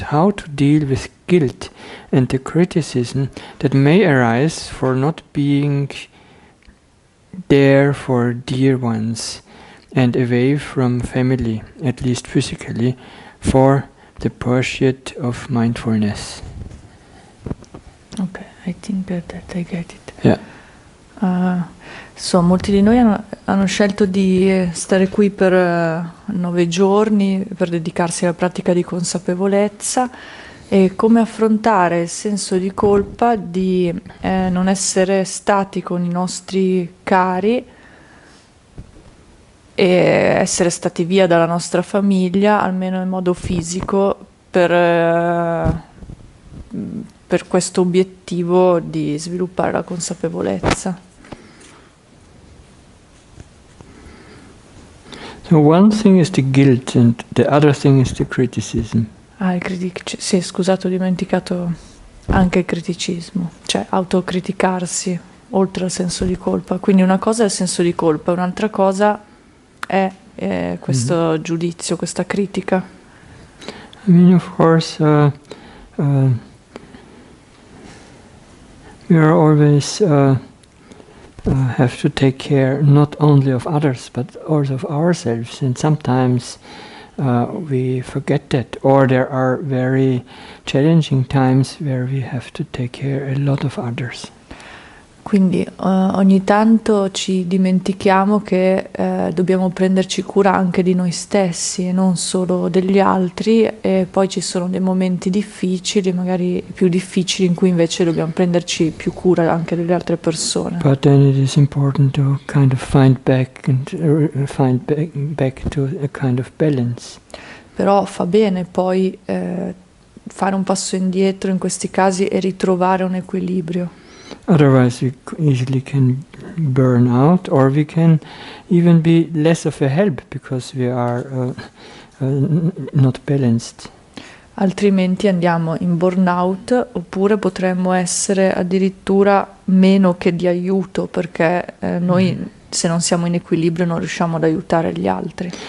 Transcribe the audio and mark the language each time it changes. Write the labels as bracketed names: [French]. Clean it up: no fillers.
[English] How to deal with guilt and the criticism that may arise for not being there for dear ones and away from family, at least physically, for the pursuit of mindfulness? Okay, I think that I get it. Yeah. [Italian] So, molti di noi hanno scelto di stare qui per 9 giorni per dedicarsi alla pratica di consapevolezza e come affrontare il senso di colpa di non essere stati con i nostri cari e essere stati via dalla nostra famiglia, almeno in modo fisico, per questo obiettivo di sviluppare la consapevolezza. [English] So one thing is the guilt and the other thing is the criticism. [Italian] Ho dimenticato anche il criticismo, cioè autocriticarsi oltre al senso di colpa. Quindi una cosa è il senso di colpa, un'altra cosa è questo giudizio, questa critica. [English] I mean, of course, we are always have to take care not only of others but also of ourselves, and sometimes we forget that, or there are very challenging times where we have to take care a lot of others. [Italian] Quindi ogni tanto ci dimentichiamo che dobbiamo prenderci cura anche di noi stessi e non solo degli altri, e poi ci sono dei momenti difficili, magari più difficili, in cui invece dobbiamo prenderci più cura anche delle altre persone. [English] But then it is important to kind of find back and find back to a kind of balance. [Italian] Però fa bene poi fare un passo indietro in questi casi e ritrovare un equilibrio. [English] Otherwise we easily can burn out, or we can even be less of a help because we are not balanced. [Italian] Altrimenti andiamo in burnout, oppure potremmo essere addirittura meno che di aiuto, perché noi se non siamo in equilibrio non riusciamo ad aiutare gli altri.